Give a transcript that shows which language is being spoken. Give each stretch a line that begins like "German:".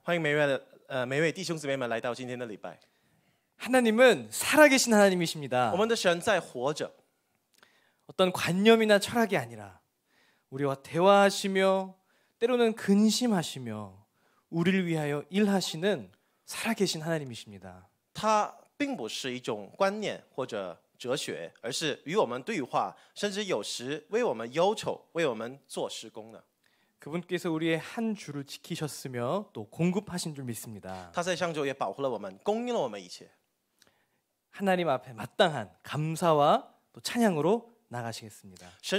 Chinese: 欢迎每位弟兄姊妹们来到今天的礼拜.
Korean: 하나님은 살아계신 하나님이십니다.
Chinese: 我们的神在活着.
Korean: 어떤 관념이나 철학이 아니라 우리와 대화하시며 때로는 근심하시며 우리를 위하여 일하시는 살아계신 하나님이십니다.
Chinese: 它并不是一种观念或者 哲学，而是与我们对话，甚至有时为我们忧愁、为我们做施工的。
Korean: 그분께서 우리의 한 줄을 지키셨으며 또 공급하신 줄 믿습니다.
Chinese: 他在上周也保护了我们，供应了我们一切。
Korean: 하나님 앞에 마땅한 감사와 또 찬양으로 나가시겠습니다.